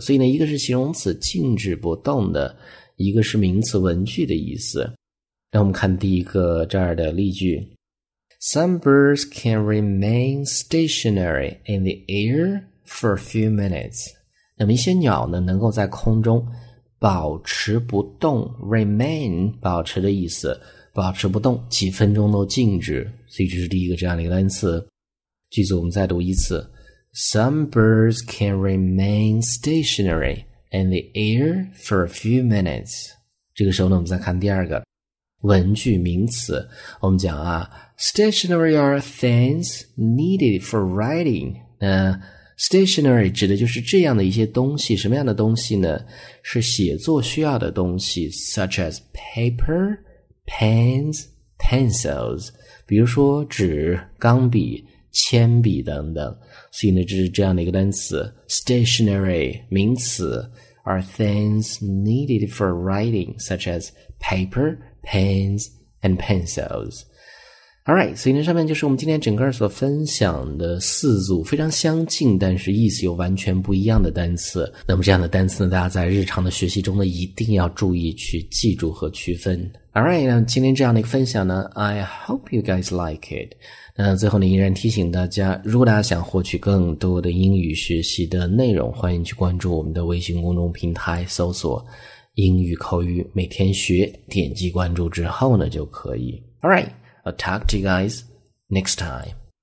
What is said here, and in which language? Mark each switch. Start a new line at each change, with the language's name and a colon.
Chinese: 所以呢，一个是形容词，静止不动的，一个是名词，文具的意思。让我们看第一个这儿的例句。
English: Some birds can remain stationary in the air for a few minutes.
Chinese: 那么一些鸟呢能够在空中保持不动， remain 保持的意思，保持不动，几分钟都静止。所以这是第一个这样的一个单词。句子我们再读一次。
English: Some birds can remain stationary in the air for a few minutes.
Chinese: 这个时候呢我们再看第二个。文句名词，我们讲啊
English: ,stationary are things needed for writing.
Chinese: Stationary 指的就是这样的一些东西，什么样的东西呢？是写作需要的东西 ,
English: such as paper, pens, pencils.
Chinese: 比如说纸、钢笔、铅笔等等。所以呢，这是这样的一个单词
English: ,stationary,
Chinese: 名词
English: ,are things needed for writing, such as paper,Pens and pencils.
Chinese: Alright, 所以呢，上面就是我们今天整个所分享的四组非常相近，但是意思又完全不一样的单词。那么这样的单词呢，大家在日常的学习中呢，一定要注意去记住和区分。
English: Alright,
Chinese: 那今天这样的一个分享呢
English: ，I hope you guys like it.
Chinese: 那最后呢，依然提醒大家，如果大家想获取更多的英语学习的内容，欢迎去关注我们的微信公众平台，搜索。英语口语每天学，点击关注之后呢就可以。
English: Alright, I'll talk to you guys next time.